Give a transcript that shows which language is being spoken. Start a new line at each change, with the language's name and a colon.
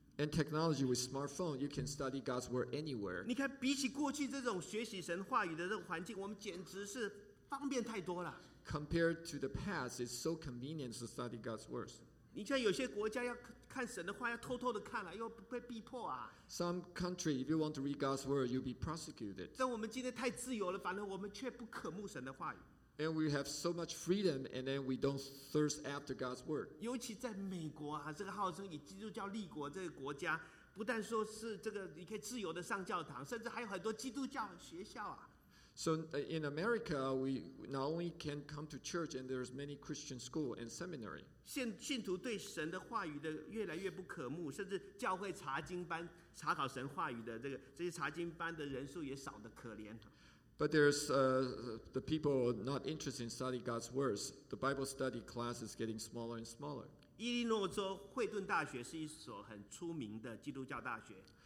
English: And technology with smartphone, you can study God's word anywhere.
Chinese: 你看，比起过去这种学习神话语的这个环境，我们简直是方便太多了。
English: Compared to the past, it's so convenient to study God's word.
Chinese: 你像有些国家要看神的话，要偷偷的看了、啊，又被逼迫啊。
English: Some country, if you want to read God's word, you'll be prosecuted.
Chinese: 但我们今天太自由了，反而我们却不渴慕神的话语。
English: And we have so much freedom, and then we don't thirst after God's word.
Chinese: 尤其在美国啊，这个号称以基督教立国这个国家，不但说是这个你可以自由的上教堂，甚至还有很多基督教学校啊。
English: So in America, we not only can come to church, and there's many Christian school and seminary.
Chinese: 信徒对神的话语的越来越不渴慕，甚至教会查经班查考神话语的这些查经班的人数也少得可怜。
English: But there's the people not interested in studying God's words. The Bible study class is getting smaller and smaller.
Chinese: 伊利诺州惠顿大学是一所很出名的基督教大学。